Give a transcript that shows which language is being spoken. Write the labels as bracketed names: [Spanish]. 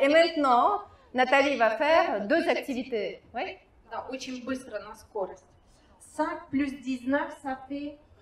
[Russian] И [French] maintenant, Nathalie va faire deux activités. Oui? [Russian] Да, очень быстро, на скорость. 5 плюс 19, [French] ça fait...